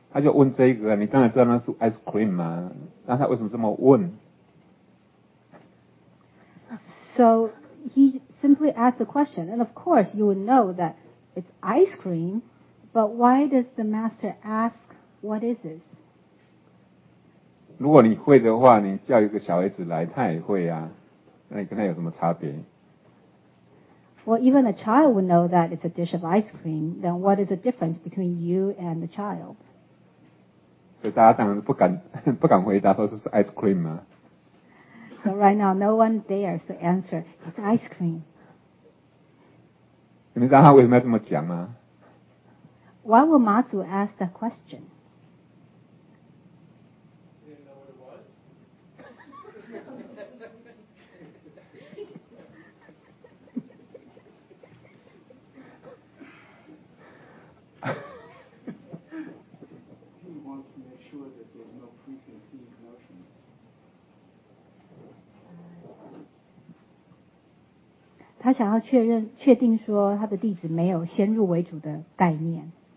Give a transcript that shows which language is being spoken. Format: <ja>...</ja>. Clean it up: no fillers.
<zh>他就问这个，你当然知道那是 ice cream 吗？那他为什么这么问？</zh> <en>So he simply asked the question, and of course you would know that it's ice cream, but why does the master ask, what is this?</en> <zh>如果你会的话，你叫一个小孩子来，他也会啊。那你跟他有什么差别</zh> <en>？Well, even a child would know that it's a dish of ice cream. Then what is the difference between you and the child?</en> <zh>所以大家当然不敢回答说这是 ice cream 吗</zh> <en>？So right now, no one dares to answer. It's ice cream.</en> <zh>你们知道他为什么要这么讲吗</zh> <en>Why would Ma Zu ask that question? He didn't know what it was. He wants to make sure that there's no preconceived notions.</en> <zh>He 想要确认确定说他的弟子没有先入为主的概念。</zh>